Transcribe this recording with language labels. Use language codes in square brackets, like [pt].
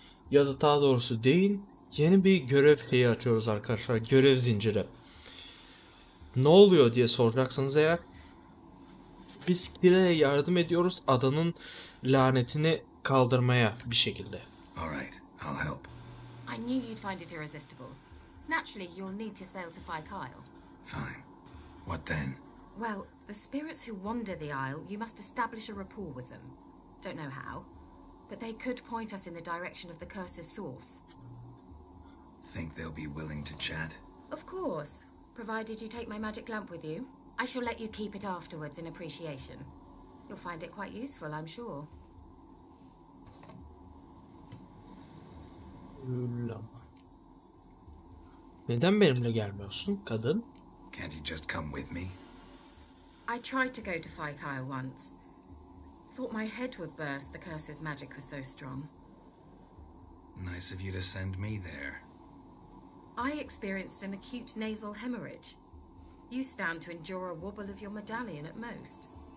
[tr] Ya da daha doğrusu deyin. Yeni bir görev şeyi açıyoruz arkadaşlar. Görev zinciri. Ne oluyor diye soracaksınız eğer. Biz Kire'ye yardım ediyoruz adanın lanetini kaldırmaya bir şekilde. [en] All right, I'll help. I knew you'd find it irresistible. Naturally, you'll need to sail to Fykyle. Fine. What then? Well, the spirits who wander the isle, you must establish a rapport with them. Don't know how, but they could point us in the direction of the curse's source. Think they'll be willing to chat? Of course, provided you take my magic lamp with you. I shall let you keep it afterwards in appreciation. You'll find it quite useful, I'm sure. [tr] Neden benimle gelmiyorsun, kadın? [en] Can't you just come with me? I tried to go to Fykyle once. Thought my head would burst, the curse's magic was so strong. Nice of you to send me there. I experienced an acute nasal hemorrhage. You stand to endure a wobble of your medallion at most.